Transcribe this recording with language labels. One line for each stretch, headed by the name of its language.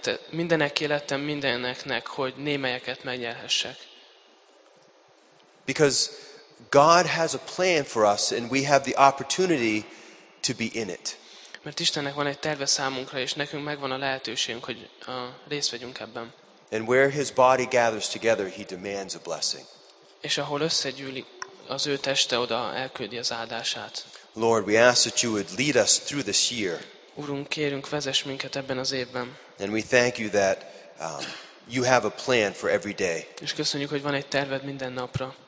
Hungarian: Mindenek élettem mindeneknek, hogy némelyeket megnyerhessek.
English: Because God has a plan for us and we have the opportunity to be in it.
Hungarian: Mert Istennek van egy terve számunkra és nekünk megvan a lehetőségünk, hogy részt vegyünk ebben.
English: And where His body gathers together, He demands a blessing.
Hungarian: És ahol összegyűlik az ő teste, oda elküldi az áldását.
English: Lord, we ask that You would lead us through this year.
Hungarian: Urunk, kérünk, vezess minket ebben az évben.
English: And we thank You that You have a plan for every day.
Hungarian: És köszönjük, hogy van egy terved minden napra.